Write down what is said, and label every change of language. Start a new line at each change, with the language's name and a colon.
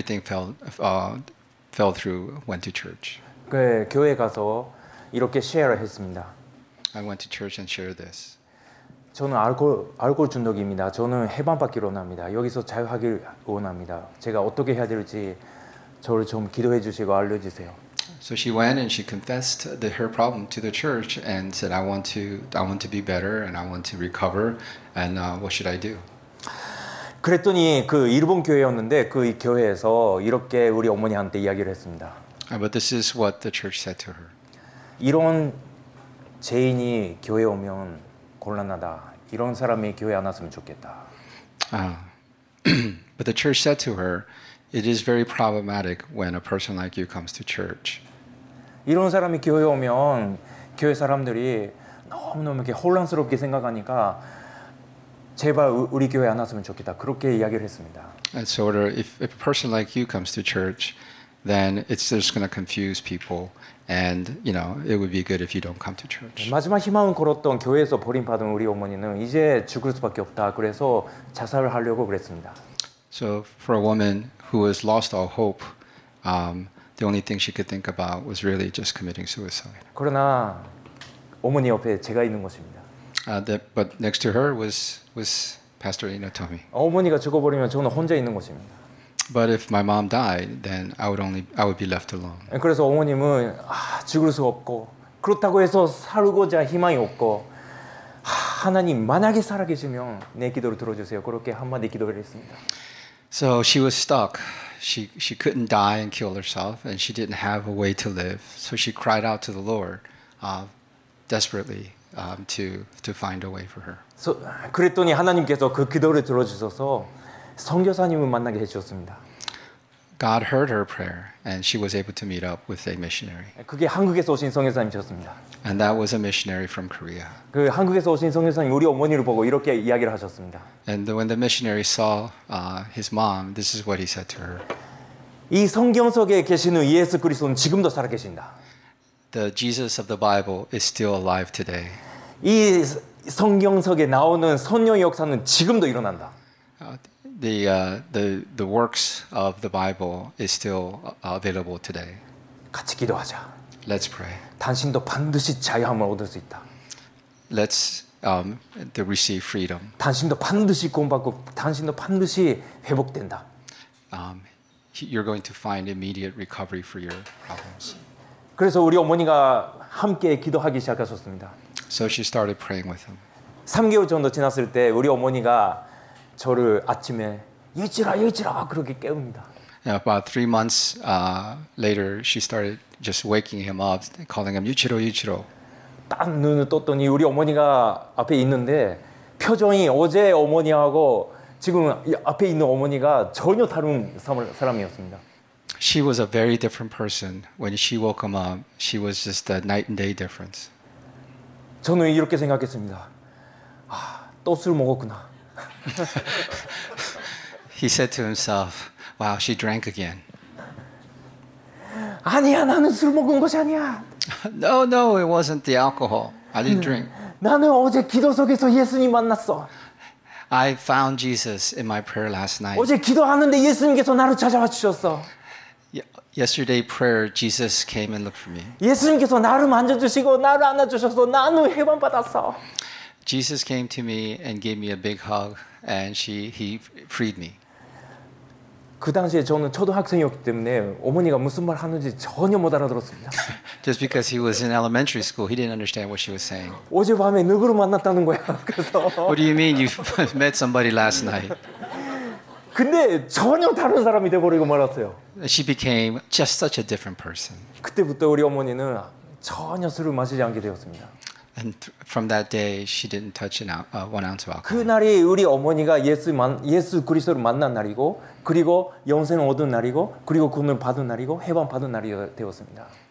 English: Everything fell through, went to church.
Korean: 그 교회 가서 이렇게 쉐어를 했습니다.
English: I went to church and shared this.
Korean: 저는 알코올 중독입니다. 저는 해방받기를 원합니다. 여기서 자유하기를 원합니다. 제가 어떻게 해야 될지 저를 좀 기도해 주시고 알려주세요.
English: So she went and she confessed the, her problem to the church and said, I want to be better and I want to recover and what should I do?
Korean: 그랬더니 그 일본 교회였는데 그 교회에서 이렇게 우리 어머니한테 이야기를 했습니다.
English: But this is what the church said to her.
Korean: 이런 죄인이 교회 오면 곤란하다. 이런 사람이 교회 안 왔으면 좋겠다.
English: But the church said to her, it is very problematic when a person like you comes to church.
Korean: 이런 사람이 교회 오면 교회 사람들이 너무너무 이렇게 혼란스럽게 생각하니까 제발 우리 교회 안 왔으면 좋겠다. 그렇게 이야기를 했습니다.
English: And so if a person like you comes to church, then it's just going to confuse people. And you know, it would be good if you don't come to church.
Korean: 마지막 희망을 걸었던 교회에서 버림받은 우리 어머니는 이제 죽을 수밖에 없다. 그래서 자살을 하려고 그랬습니다.
English: So for a woman who has lost all hope, the only thing she could think about was really just committing suicide.
Korean: 그러나 어머니 옆에 제가 있는 것입니다.
English: But next to her was Pastor Inotomi.
Korean: 어머니가 죽어버리면 저는 혼자 있는 것입니다.
English: But if my mom died, then I would be left alone.
Korean: 그래서 어머님은 죽을 수 없고 그렇다고 해서 살고자 희망이 없고 하나님 만약에 살아계시면 내 기도를 들어주세요. 그렇게 한마디 기도를 했습니다.
English: So she was stuck. She couldn't die and kill herself, and she didn't have a way to live. So she cried out to the Lord, desperately, to find a way for her.
Korean: So 그랬더니 하나님께서 그 기도를 들어주셔서. 선교사님을 만나게 해주셨습니다.
English: God heard her prayer, and she was able to meet up with a missionary.
Korean: 그게 한국에서 오신 선교사님이셨습니다.
English: And that was a missionary from Korea.
Korean: 그 한국에서 오신 선교사님 우리 어머니를 보고 이렇게 이야기를 하셨습니다.
English: And when the missionary saw his mom, this is what he said to her.
Korean: 이 성경 속에 계시는 예수 그리스도는 지금도 살아계신다.
English: The Jesus of the Bible is still alive today.
Korean: 이 성경 속에 나오는 성령의 역사는 지금도 일어난다.
English: The works of the Bible is still available today.
Korean: 같이 기도하자.
English: Let's pray.
Korean: 당신도 반드시 자유함을 얻을 수 있다.
English: Let's receive freedom.
Korean: 당신도 반드시 구원받고 당신도 반드시 회복된다.
English: You're going to find immediate recovery for your problems.
Korean: 그래서 우리 어머니가 함께 기도하기 시작하셨습니다.
English: So she started praying with him.
Korean: 3개월 정도 지났을 때 우리 어머니가 저를 아침에 예지라 예지라 그렇게 깨웁니다.
English: About 3 months later, she started just waking him up, calling him 유치로 유치로.
Korean: 딱 눈을 떴더니 우리 어머니가 앞에 있는데 표정이 어제 어머니하고 지금 앞에 있는 어머니가 전혀 다른 사람이었습니다.
English: She was a very different person when she woke him up. She was just a night and day difference.
Korean: 저는 이렇게 생각했습니다. 아, 또 술 먹었구나.
English: He said to himself, "Wow, she drank again."
Korean: 아니야, 나는 술 먹은 것이 아니야.
English: No, no, it wasn't the alcohol. I didn't drink.
Korean: 나는 어제 기도 속에서 예수님 만났어.
English: I found Jesus in my prayer last night.
Korean: 어제 기도하는데 예수님께서 나를 찾아와 주셨어.
English: Yesterday prayer, Jesus came and looked for me.
Korean: 예수님께서 나를 만져 주시고 나를 안아 주셔서 나는 해방 받았어.
English: Jesus came to me and gave me a big hug, and he freed me.
Korean: 그 당시에 저는 초등학생이었기 때문에 어머니가 무슨 말 하는지 전혀 못 알아들었습니다.
English: Just because he was in elementary school, he didn't understand what she was saying.
Korean: 어젯밤에 누구를 만났다는 거야? 그래서.
English: What do you mean you met somebody last night?
Korean: 근데 전혀 다른 사람이 돼버리고 말았어요.
English: She became just such a different person.
Korean: 그때부터 우리 어머니는 전혀 술을 마시지 않게 되었습니다.
English: And from that day, she didn't touch one ounce of alcohol.
Korean: 그날이 우리 어머니가 예수 그리스도를 만난 날이고, 그리고 영생을 얻은 날이고, 그리고 구원을 받은 날이고, 해방 받은 날이 되었습니다.